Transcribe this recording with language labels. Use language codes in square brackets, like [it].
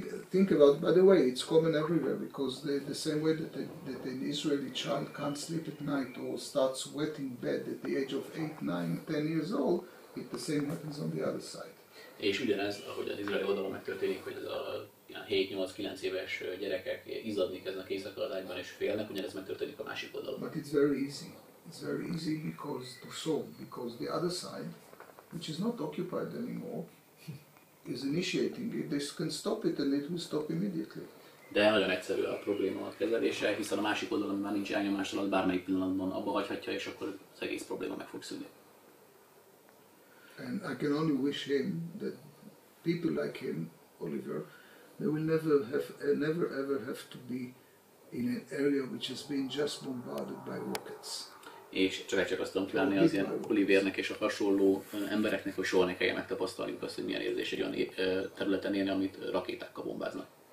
[en] Think about, by the way, it's common everywhere, because the same way that an Israeli child can't sleep at night or starts wetting bed at the age of 8, 9, 10 years old, it the same happens on the other side. [hu] És ugyanez, ahogy az izraeli oldalon megtörténik, hogy ez a 7-8-9 éves gyerekek izzadni kezdnek éjszaka az ágyban és félnek, ugyanez megtörténik a másik oldalon. [en] But it's very easy. It's very easy because to solve, because the other side, which is not occupied anymore, is initiating it, they can stop it and it will stop immediately. [hu] De nagyon egyszerű a probléma a kezelése, hiszen a másik oldalon már nincs elnyomás alatt, bármelyik pillanatban abba hagyhatja, és akkor az egész probléma meg fog szűnni. [en] And I can only wish him that people like him, Oliver, they will never ever have to be in an area which has been just bombarded by rockets. [hu] És csak azt tudom kívánni az ilyen Olivernek és a hasonló embereknek, hogy soha ne kelljen megtapasztaljuk azt, hogy milyen érzés egy olyan területen élni, amit rakétákkal bombáznak.